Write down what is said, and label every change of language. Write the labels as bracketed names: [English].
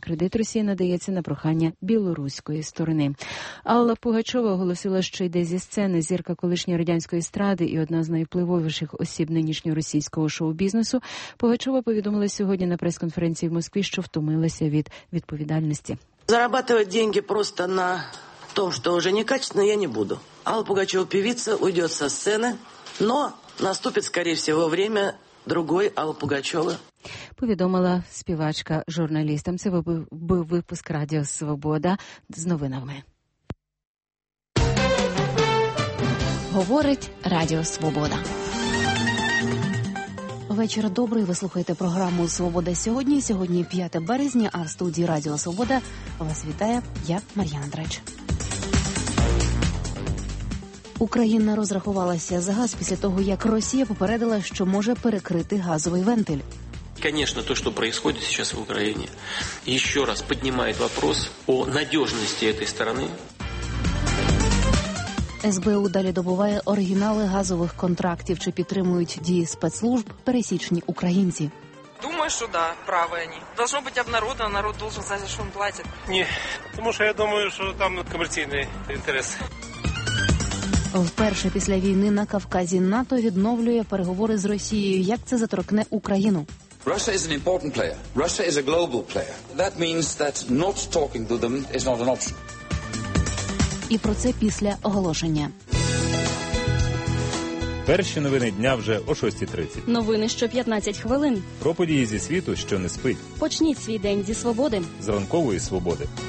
[Ukrainian] Кредит Росії надається на прохання білоруської сторони. Алла Пугачова оголосила, що йде зі сцени. Зірка колишньої радянської естради і одна з найвпливовіших осіб нинішнього російського шоу-бізнесу. Пугачова повідомила сьогодні на прес-конференції в Москві, що втомилася від відповідальності. [Russian] Зарабатывать деньги просто на том, что уже некачественно, я не буду. Алла Пугачева, певица, уйдет со сцены, но наступит, скорее всего, время другой Аллы Пугачевой. [Ukrainian] Повідомила співачка журналістам. Це був випуск Радіо Свобода з новинами. Говорить Радіо Свобода. Вечір добрий. Ви слухаєте програму «Свобода сьогодні». Сьогодні 5 березня, а в студії Радіо Свобода вас вітає я, Мар'яна Драч. Україна розрахувалася за газ після того, як Росія попередила, що може перекрити газовий вентиль. [Russian] Конечно, то, что происходит сейчас в Украине, еще раз поднимает вопрос о надежности этой стороны. [Ukrainian] СБУ далі добуває оригінали газових контрактів. Чи підтримують дії спецслужб пересічні українці? Думаю, що да, праві вони. Должно бути обнародовано, народ должен знати, що він платить. Ні, тому що я думаю, що там комерційний інтерес. Вперше після війни на Кавказі НАТО відновлює переговори з Росією. Як це заторкне Україну? [English] Russia is an important player. Russia is a global player. That means that not talking to them is not an option. [Ukrainian] І про це після оголошення. Перші новини дня вже о 6:30. Новини що 15 хвилин. Про події зі світу, що не спить. Почніть свій день зі свободи. З ранкової свободи.